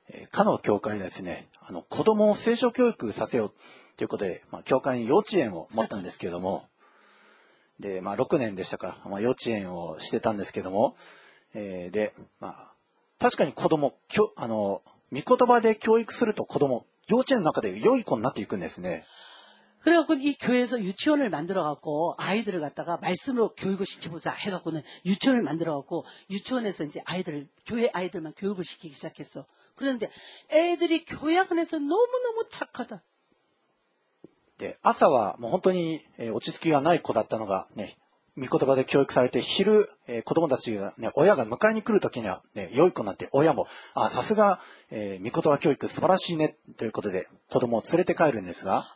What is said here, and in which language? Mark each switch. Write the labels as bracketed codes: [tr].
[ja] カノ教会ですね、あの子供を聖書教育させようということで、まあ、教会に幼稚園を持ったんですけども、で、まあ、6年でしたか、まあ、幼稚園をしてたんですけども、で、まあ、確かに子供、あの、御言葉で教育すると子供、幼稚園の中で良い子になっていくんですね。 [ko] 그래갖고이교회에서유치원을만들어갖고아이들을갖다가말씀으로교육을시키고자해갖고는유치원을만들어갖고유치원에서이제아이들교회아이들만교육을시키기시작했어그런데애들이교회안에서너무너무착하다 [ja] で朝はもう本当に落ち着きがない子だったのがね御言葉で教育されて昼子供たちがね親が迎えに来る時にはね良い子になって親もあさすが御言葉教育素晴らしいねということで子供を連れて帰るんですが